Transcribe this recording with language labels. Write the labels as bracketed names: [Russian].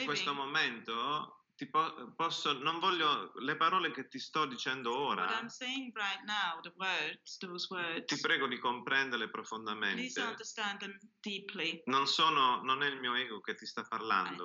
[Italian] In questo momento posso, non voglio le parole che ti sto dicendo ora. [English] What I'm saying right now, the words, those words. [Italian] Ti prego di comprenderle profondamente. [English] Please understand them deeply. [Italian] Non è il mio ego che ti sta parlando